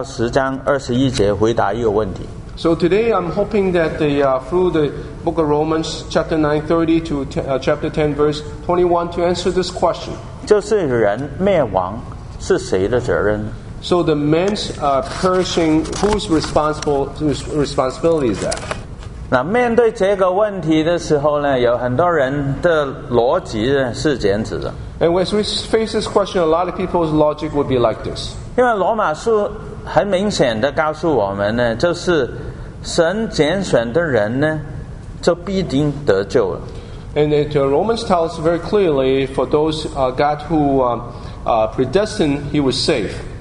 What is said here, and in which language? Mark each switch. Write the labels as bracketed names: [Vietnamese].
[Chinese] 所以今天我希望通过罗马书第九章30到10章21节回答一个问题。 [English] So today I'm hoping that through the book of Romans chapter 9:30 to chapter 10 verse 21 to answer this question. [Chinese] 就是人灭亡是谁的责任？ [English] So the man's perishing, whose responsibility is that? [Chinese] 那面对这个问题的时候呢，有很多人的逻辑是这样子的。 [English] And when we face this question, a lot of people's logic would be like this. [Chinese] 因为罗马书很明显的告诉我们呢，就是神拣选的人呢，就必定得救了。 [English] And Romans tells very clearly, for those God who predestined, he was safe.